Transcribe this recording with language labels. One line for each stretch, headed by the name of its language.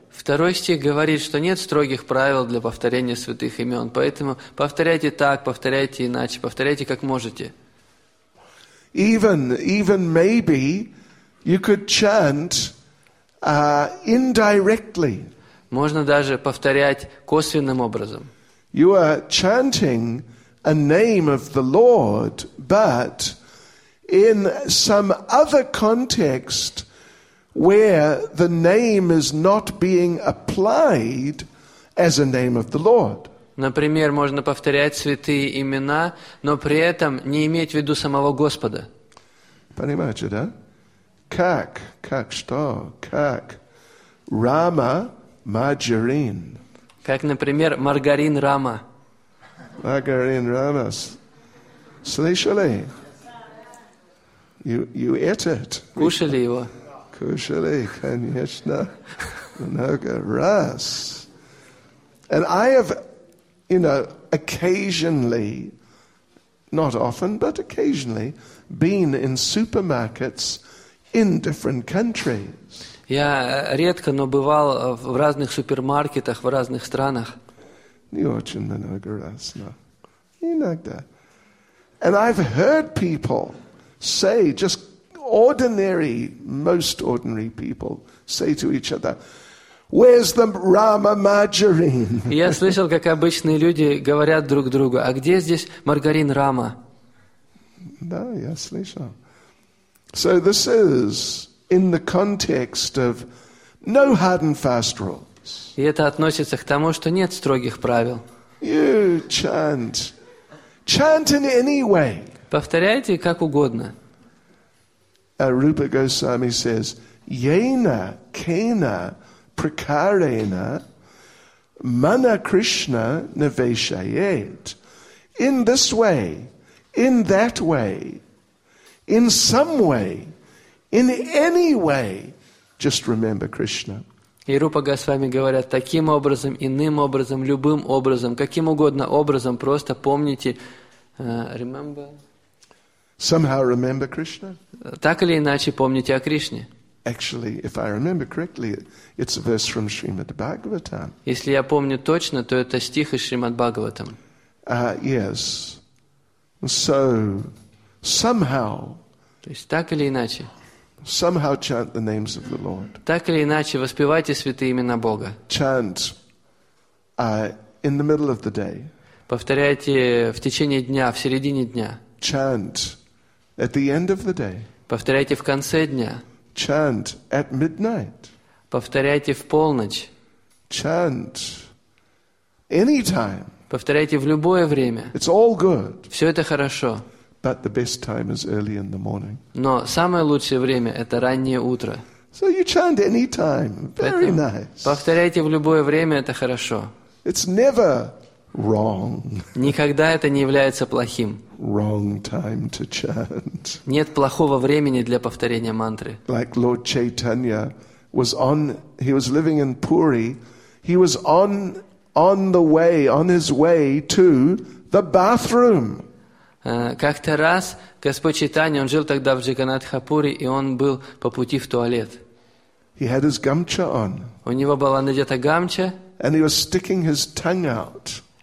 Russian: Второй стих говорит, что нет строгих правил для повторения святых имен, поэтому повторяйте так, повторяйте иначе, повторяйте как можете.
English: Even maybe you could chant indirectly.
Russian: Можно даже повторять косвенным образом.
English: You are chanting a name of the Lord, but in some other context where the name is not being applied as a name of the Lord.
Russian: Например, можно повторять святые имена, но при этом не иметь в виду самого Господа. Понимаете, да? Как что? Как Рама Маджарин. Как, например, маргарин Рама.
English: Margarine Ramas.
Russian: Слышали?
English: You ate it.
Russian: Кушали его. Кушали, конечно. Много раз.
English: And I have, you know, occasionally, not often, but occasionally, been in supermarkets in different countries.
Russian: Я редко, но бывал в разных супермаркетах в разных странах. Не очень много раз, но иногда.
English: And I've heard people say, just ordinary, most ordinary people say to each other, where's the Rama margarine?
Russian: Я слышал, как обычные люди говорят друг другу, а где здесь маргарин Рама? Да, я слышал.
English: So this is in the context of no hard and fast rules.
Russian: И это относится к тому, что нет строгих правил.
English: You chant. Chant in any way.
Russian: Повторяйте как угодно.
Sanskrit: Rupa Goswami says, Yena kena prakarena mana Krishna neveshayet.
English: In this way, in that way, in some way, in any way, just remember Krishna.
Russian: И Рупа Госвами говорят, таким образом, иным образом, любым образом, каким угодно образом, просто помните, remember?
English: Somehow remember Krishna?
Russian: Так или иначе помните о Кришне?
English: Actually, if I remember correctly, it's a verse from Srimad Bhagavatam.
Russian: Если я помню точно, то это стих из Шримад Бхагаватам.
English: Yes. So somehow.
Russian: То есть так или иначе.
English: Somehow chant the names of the Lord.
Russian: Так или иначе воспевайте святые имена Бога.
English: Chant in the middle of the day.
Russian: Повторяйте в течение дня, в середине дня.
English: Chant at the end of the day.
Russian: Повторяйте в конце дня.
English: Chant at midnight.
Russian: Повторяйте в полночь.
English: Chant any time.
Russian: Повторяйте в любое время.
English: It's all good.
Russian: Все это хорошо.
English: But the best time is early in the morning.
Russian: Но самое лучшее время – это раннее утро.
English: So you chant any time. Very nice.
Russian: Повторяйте в любое время – это хорошо.
English: It's never wrong.
Russian: Никогда это не является плохим.
English: Wrong time to chant.
Russian: Нет плохого времени для повторения мантры.
English: Like Lord Chaitanya was on, he was living in Puri, he was on the way, on his way to the bathroom.
Russian: Как-то раз Господь Чайтанья, он жил тогда в Джаганнатхапуре, и он был по пути в туалет.
English: He had his gamcha on.
Russian: У него была надета гамча.
English: And he was sticking his tongue out.